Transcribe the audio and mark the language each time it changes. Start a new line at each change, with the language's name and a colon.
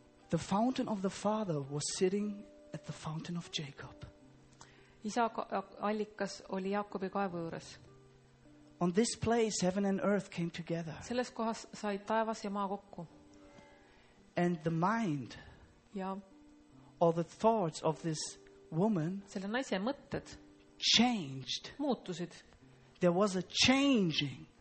English: The fountain of the Father was sitting at the fountain of Jacob.
Estonian: Isa allikas oli Jaakobi kaevu juures.
English: On this place, heaven and earth came together.
Estonian: Selles kohas sai taevas ja maa kokku.
English: And the mind
Estonian: ja.
English: Or the thoughts of this woman
Estonian: selle naise mõtted
English: changed.
Estonian: Muutusid.
English: There was a changing.